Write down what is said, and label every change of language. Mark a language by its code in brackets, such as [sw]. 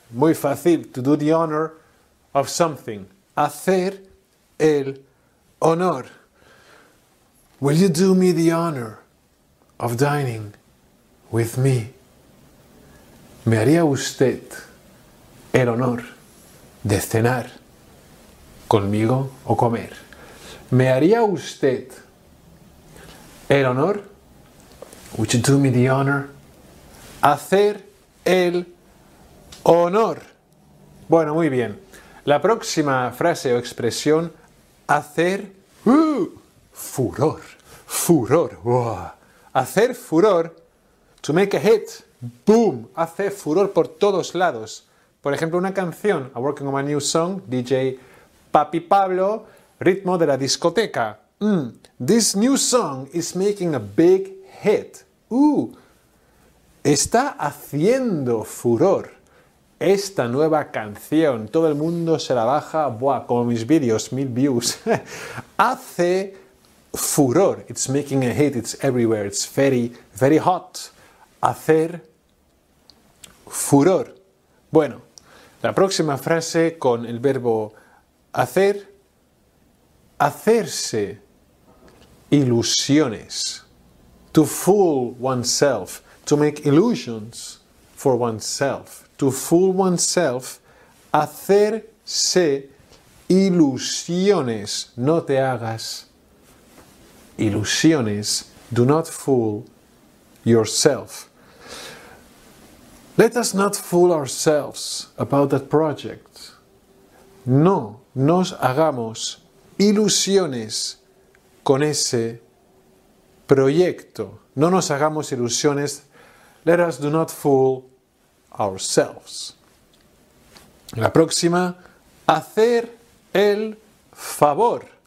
[es] Muy fácil, [en] to do the honor of something. [es] Hacer el honor. [en] Will you do me the honor of dining with me? [es] ¿Me haría usted el honor de cenar conmigo o comer? ¿Me haría usted el honor? [en] Would you do me the honor? [es] Hacer el honor. Bueno, muy bien. La próxima frase o expresión, hacer furor. Furor, wow. Hacer furor, [en] to make a hit, [es] boom, hace furor por todos lados. Por ejemplo, una canción, [en] I'm working on my new song, [es] DJ Papi Pablo, ritmo de la discoteca. [en] This new song is making a big hit. [es] Está haciendo furor esta nueva canción. Todo el mundo se la baja, buah, como mis vídeos, 1,000 views. Hace furor, [en] it's making a hit, it's everywhere, it's very, very hot. [es] Hacer furor. Bueno, la próxima frase con el verbo hacer, hacerse ilusiones. [en] To fool oneself, to make illusions for oneself. To fool oneself, hacerse ilusiones. [es] No te hagas ilusiones, [en] do not fool yourself. Let us not fool ourselves about that project. [es] No nos hagamos ilusiones con ese proyecto. No nos hagamos ilusiones. [en] Let us do not fool ourselves. [es] La próxima, hacer el favor.